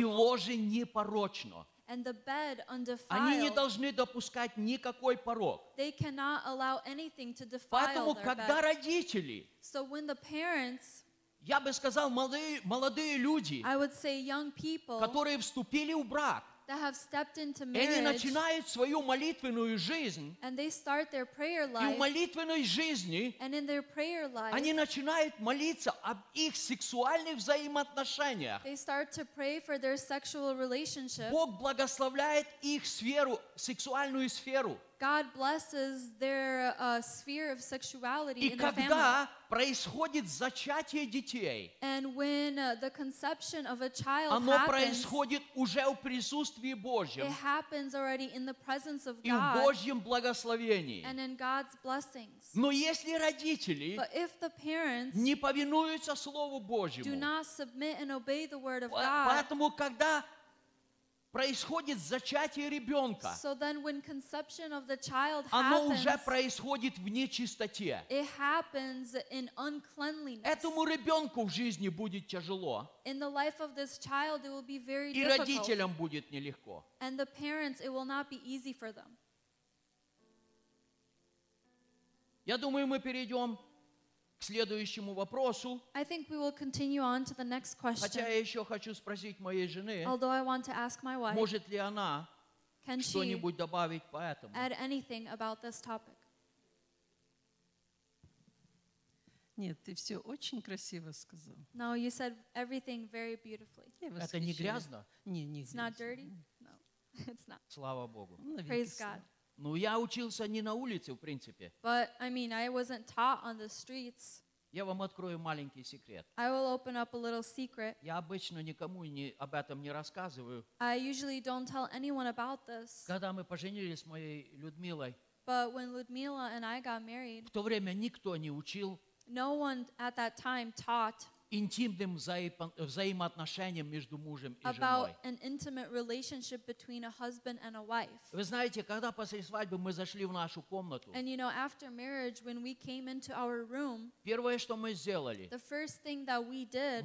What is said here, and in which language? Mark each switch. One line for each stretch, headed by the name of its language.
Russian: И ложе непорочно.
English: And the bed undefiled.
Russian: Они не должны допускать никакой порок.
English: They cannot allow anything to defile
Russian: Поэтому,
English: their bed.
Russian: Поэтому, когда родители,
English: so when the parents,
Russian: я бы сказал, молодые люди,
English: I would say young people,
Russian: которые вступили в брак,
English: that have stepped into marriage,
Russian: они начинают свою молитвенную жизнь,
English: and they start their prayer life,
Russian: и в молитвенной жизни,
English: and in their prayer life,
Russian: они начинают молиться об их сексуальных взаимоотношениях.
English: They start to pray for their sexual relationship.
Russian: Бог благословляет их сферу, сексуальную сферу.
English: God blesses their sphere of sexuality
Russian: и
English: in their family.
Russian: И когда происходит зачатие детей,
English: and when the conception of a child
Russian: оно
English: happens,
Russian: происходит уже в присутствии Божьем,
English: it happens already in the presence of God,
Russian: и в Божьем благословении,
English: and in God's blessings.
Russian: Но если родители,
English: but if the parents,
Russian: не повинуются Слову Божьему,
English: do not submit and obey the word of God,
Russian: поэтому когда происходит зачатие ребенка.
English: So then when conception of the child happens,
Russian: оно уже происходит в нечистоте.
English: It happens in uncleanliness.
Russian: Этому ребенку в жизни будет тяжело.
English: In the life of this child, it will be very difficult.
Russian: И родителям будет нелегко.
English: And the parents, it will not be easy for them.
Russian: Я думаю, мы перейдем к следующему вопросу.
English: I think we will continue on to the next question.
Russian: Хотя я еще хочу спросить моей жены,
English: although I want to ask my wife,
Russian: может ли она что-нибудь добавить по этому?
English: Add anything about this topic?
Russian: Нет, ты все очень красиво сказал.
English: No, you said everything very beautifully.
Russian: Это не грязно? Не, не грязно.
English: It's not dirty? No, it's not.
Russian: Слава Богу.
English: Praise God.
Russian: Ну, я учился не на улице, в принципе.
English: But, I mean, I wasn't taught on the streets.
Russian: Я вам открою маленький секрет.
English: I will open up a little secret.
Russian: Я обычно никому не, об этом не рассказываю.
English: I usually don't tell anyone about this.
Russian: Когда мы поженились с моей Людмилой,
English: but when Ludmila and I got married,
Russian: в то время никто не учил,
English: no one at that time taught
Russian: интимным взаимоотношениям между мужем и женой.
English: About an intimate relationship between a husband and a wife.
Russian: Вы знаете, когда после свадьбы мы зашли в нашу комнату,
English: and you know, after marriage, when we came into our room,
Russian: первое, что мы сделали,
English: the first thing that we did,